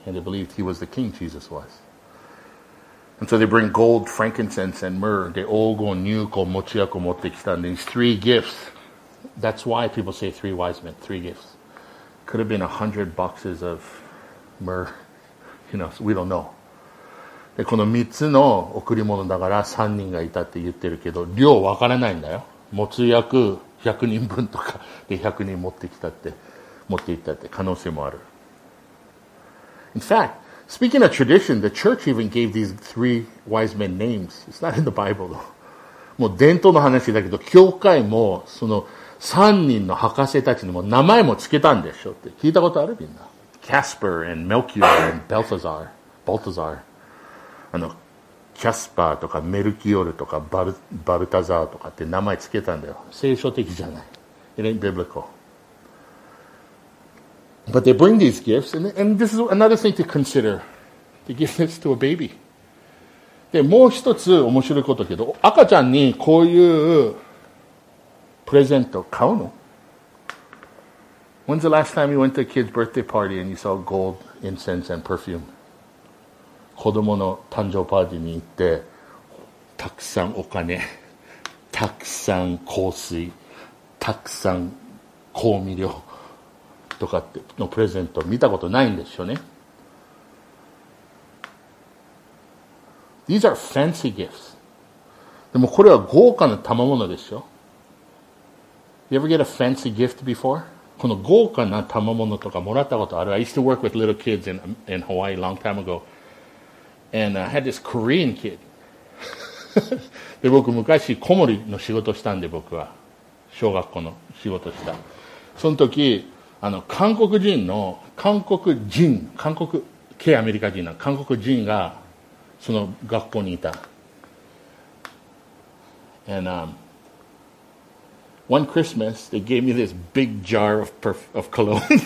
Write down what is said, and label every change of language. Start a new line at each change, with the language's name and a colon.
English: And they believed he was the king, Jesus was. And so they bring gold, frankincense, and myrrh.
Japanese: で、黄金、乳香、もつ薬持ってきたんで、
English: these three gifts. That's why people say three wise men, three gifts. Could have been 100 boxes of myrrh. You know, we don't know.
Japanese: で、この3つの贈り物だから3人がいたって言ってるけど、量分からないんだよ。もつ薬100人分とかで100人持ってきたって、持っていったって可能性もある。
English: In fact, speaking of tradition, the church even gave these three wise men names. It's not in the Bible though.
Japanese: もう伝統の話だけど、教会もその、三人の博士たちにも名前もつけたんでしょって聞いたことあるみんな。
English: Casper and Melchior and Balthazar. Balthazar.
Japanese: キャスパーとかメルキオルとかバルタザーとかって名前つけたんだよ。聖書的じゃない。
English: It ain't biblical. But they bring these gifts, and this is another thing to consider. They give this to a baby.
Japanese: で、もう一つ面白いことけど、赤ちゃんにこういうプレゼント買うの?
English: When's the last time you went to a kid's birthday party and you saw gold, incense, and perfume?
Japanese: 子供の誕生パーティーに行って、たくさんお金、たくさん香水、たくさん香味料、とかってのプレゼント見たことないんですよね。
English: These are fancy gifts.
Japanese: でもこれは豪華な賜物ですよ。
English: You ever get a fancy gift before?
Japanese: この豪華な賜物とかもらったことある。
English: I used to work with little kids in Hawaii a long time ago. And I had this Korean kid.
Japanese: で僕昔子守の仕事したんで僕は。小学校の仕事した。その時、韓国系アメリカ人な韓国人がその学校にいた。
English: And, one Christmas, they gave me this big jar of cologne.